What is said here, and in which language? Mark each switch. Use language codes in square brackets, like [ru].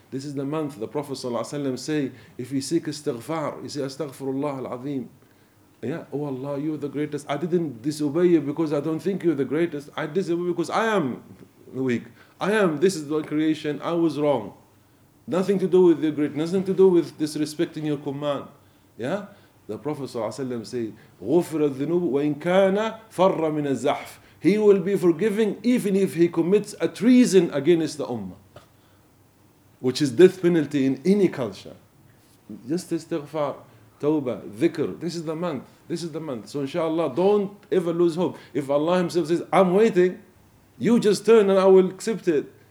[en] This is the month the Prophet sallallahu alayhi wa sallam say, if you seek istighfar, you say, astaghfirullah al-azim. Yeah? Oh Allah, you're the greatest. I didn't disobey you because I don't think you're the greatest. I disobey because I am weak. I am, this is the creation, I was wrong. Nothing to do with your greatness, nothing to do with disrespecting your command. Yeah? The Prophet ﷺ said, [ar] غُفِرَ الذِّنُوبُ وَإِنْ كَانَ فَرَّ مِنَ الزَّحْفِ. [en] He will be forgiving even if he commits a treason against the Ummah, which is death penalty in any culture. Just istighfar, tawbah, dhikr. This is the month. This is the month. So inshallah, don't ever lose hope. If Allah Himself says, I'm waiting, you just turn and I will accept it.